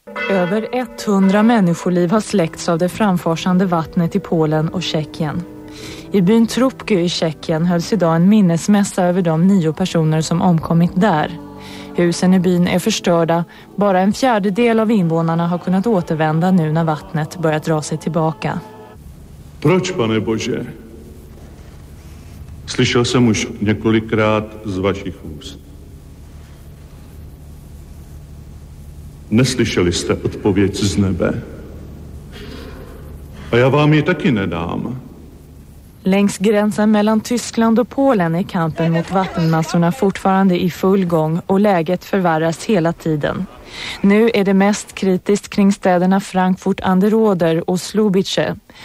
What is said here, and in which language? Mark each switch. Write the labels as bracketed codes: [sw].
[sv] Över 100 människoliv har släckts av det framfarsande vattnet i Polen och Tjeckien. I byn Trubky i Tjeckien hölls idag en minnesmässa över de 9 personer som omkommit där. Husen i byn är förstörda. Bara en fjärdedel av invånarna har kunnat återvända nu när vattnet börjat dra sig tillbaka. [cs] Proč, pane Bože? Slyšel jsem už několikrát z vašich úst. Neslyšeli jste odpověď z nebe. A já vám ji taky nedám. [sv] Längs gränsen mellan Tyskland och Polen är kampen mot vattenmassorna fortfarande i full gång och läget förvärras hela tiden. Nu är det mest kritiskt kring städerna Frankfurt an der Oder och Slubice.